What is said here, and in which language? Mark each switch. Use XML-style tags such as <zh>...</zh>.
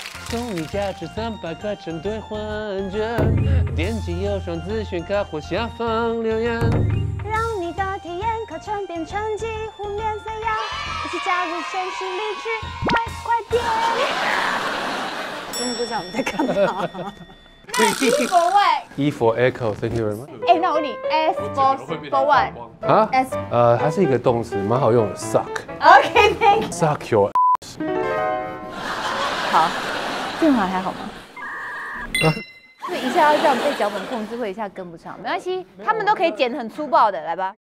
<zh>送你价值300块成对换券，点击右上资讯卡或下方留言，让你的体验课程变成几乎免费呀！一起加入现实励志，快快点！真的不知道我们在干嘛。</zh> <en>那 E for what? E for echo, thank you very much.</en> <zh>哎，那我你</zh> <en>S for what?</en> <zh>啊 ？S 它是一个动词，蛮好用的 ，suck.</zh> <en>Okay, thank you. Suck your ass.</en> <zh>好，电话还好吗？啊？一下要这样被脚本控制，会一下跟不上，没关系，他们都可以剪很粗暴的，来吧。</zh>